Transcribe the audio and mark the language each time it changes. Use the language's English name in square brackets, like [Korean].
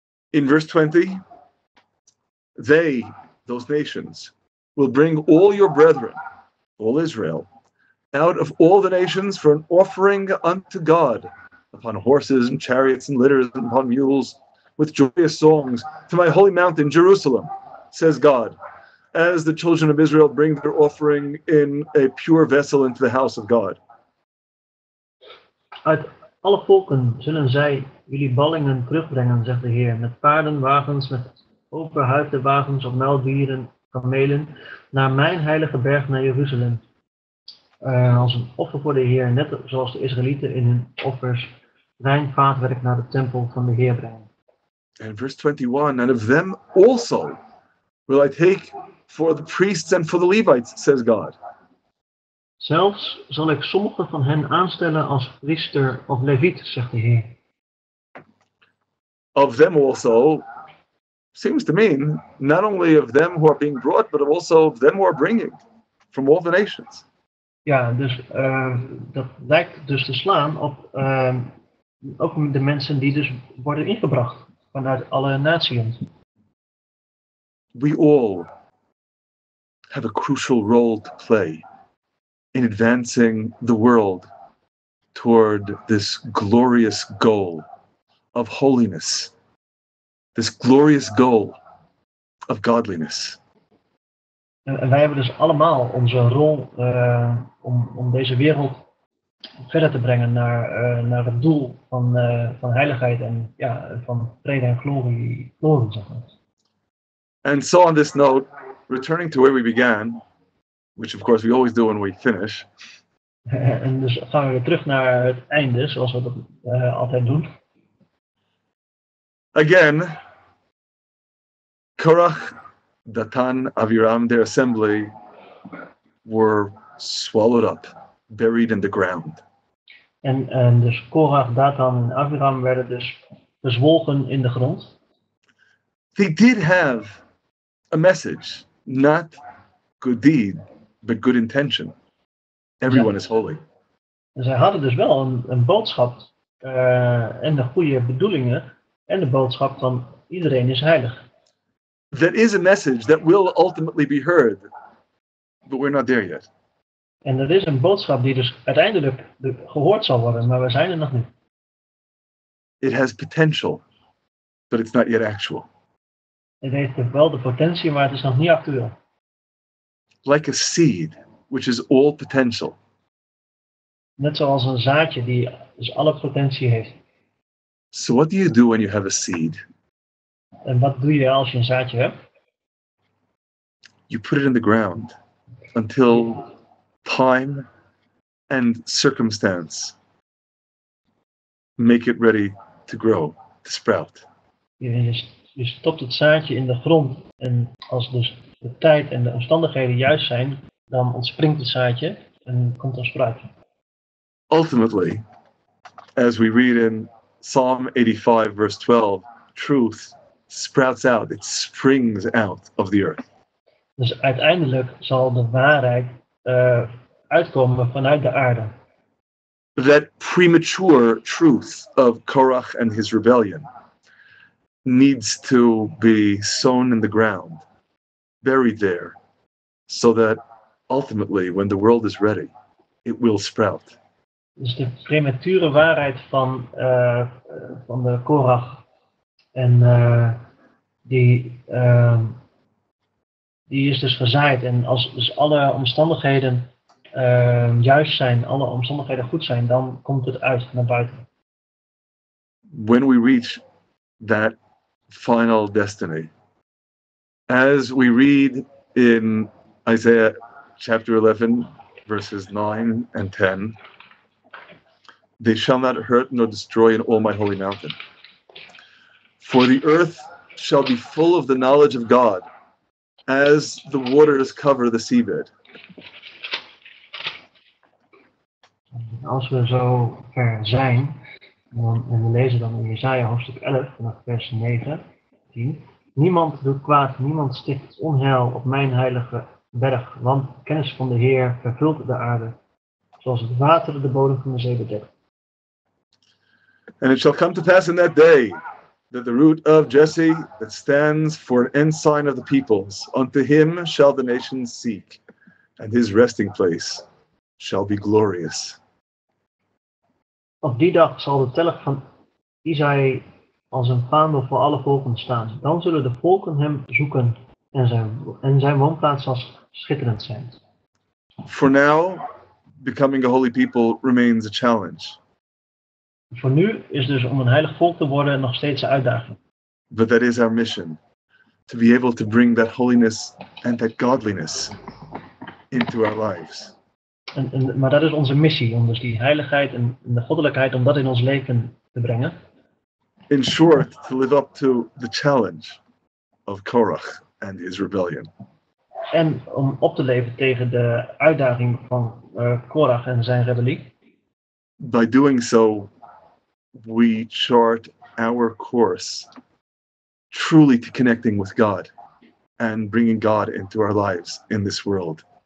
[English] In verse 20, they, those nations, will bring all your brethren, all Israel, out of all the nations for an offering unto God, upon horses and chariots and litters and upon mules, with joyous songs to my holy mountain, Jerusalem, says God, as the children of Israel bring their offering in a pure vessel into the house of God. [Dutch] Uit alle volken zullen zij jullie ballingen terugbrengen, zegt de Heer, met paardenwagens, met overhuidde wagens op muildieren, kamelen, naar mijn heilige berg, naar Jeruzalem. Als een offer voor de Heer, net zoals de Israëlieten in hun offers wijn, vaatwerk naar de tempel van de Heer brengen. [English] And verse 21, and of them also will I take for the priests and for the Levites, says God. [Dutch] Zelfs zal ik sommige van hen aanstellen als priester of leviet, zegt de Heer. [English] Of them also, seems to mean, not only of them who are being brought, but also of them who are bringing, from all the nations. [Dutch] Ja, dus dat lijkt dus te slaan op ook de mensen die dus worden ingebracht. Vanuit alle naties. [English] We all have a crucial role to play in advancing the world toward this glorious goal of holiness, this glorious goal of godliness. [Dutch] En wij hebben dus allemaal onze rol om deze wereld verder te brengen naar het doel van heiligheid en ja, van vrede en glorie, zeg maar. [English] And so on this note, returning to where we began, which of course we always do when we finish. [Dutch] En dus gaan we weer terug naar het einde, zoals we dat altijd doen. [English] Again, Korach, Datan, Aviram, their assembly were swallowed up, buried in the ground. [Dutch] En dus Korach, Datan en Aviram werden dus bezwolgen in de grond. [English] They did have a message, not good deed, but good intention. Everyone is holy. [Dutch] En zij hadden dus wel een boodschap en de goede bedoelingen en de boodschap van iedereen is heilig. [English] That is a message that will ultimately be heard, but we're not there yet. [Dutch] En dat is een boodschap die dus uiteindelijk gehoord zal worden, maar we zijn er nog niet. [English] It has potential, but it's not yet actual. [Dutch] Het heeft wel de potentie, maar het is nog niet actueel. [English] Like a seed, which is all potential. [Dutch] Net zoals een zaadje die dus alle potentie heeft. [English] So what do you do when you have a seed? [Dutch] En wat doe je als je een zaadje hebt? [English] You put it in the ground until time and circumstance make it ready to grow, to sprout. [Dutch] Je stopt het zaadje in de grond en als dus de tijd en de omstandigheden juist zijn, dan ontspringt het zaadje en komt er spruit. [English] Ultimately, as we read in Psalm 85, verse 12, truth sprouts out, it springs out of the earth. [Dutch] Dus uiteindelijk zal de waarheid uitkomen vanuit de aarde. [English] That premature truth of Korach and his rebellion needs to be sown in the ground, buried there, so that ultimately, when the world is ready, it will sprout. [Dutch] Dus de premature waarheid van de Korach en die is dus gezaaid en als dus alle omstandigheden juist zijn, alle omstandigheden goed zijn, dan komt het uit naar buiten. [English] When we reach that final destiny, as we read in Isaiah chapter 11, verses 9 and 10, they shall not hurt nor destroy in all my holy mountain. For the earth shall be full of the knowledge of God, as the waters cover the seabed. [Dutch] Als we zo ver zijn, dan, en we lezen dan in Jesaja hoofdstuk 11, vanaf vers 9, 10. Niemand doet kwaad, niemand sticht onheil op mijn heilige berg, want de kennis van de Heer vervult de aarde, zoals het water de bodem van de zee bedekt. [English] And it shall come to pass in that day, that the root of Jesse, that stands for an ensign of the peoples, unto him shall the nations seek, and his resting place shall be glorious. [Dutch] Op die dag zal de telg van Isaï als een vaandel voor alle volken staan. Dan zullen de volken hem zoeken en zijn woonplaats zal schitterend zijn. [English] For now, becoming a holy people remains a challenge. [Dutch] Voor nu is dus om een heilig volk te worden nog steeds een uitdaging. [English] But that is our mission. To be able to bring that holiness and that godliness into our lives. [Dutch] Maar dat is onze missie, om dus die heiligheid en de goddelijkheid, om dat in ons leven te brengen. [English] In short, to live up to the challenge of Korach and his rebellion. [Dutch] En om op te leven tegen de uitdaging van Korach en zijn rebellie. [English] By doing so, we chart our course truly to connecting with God and bringing God into our lives in this world.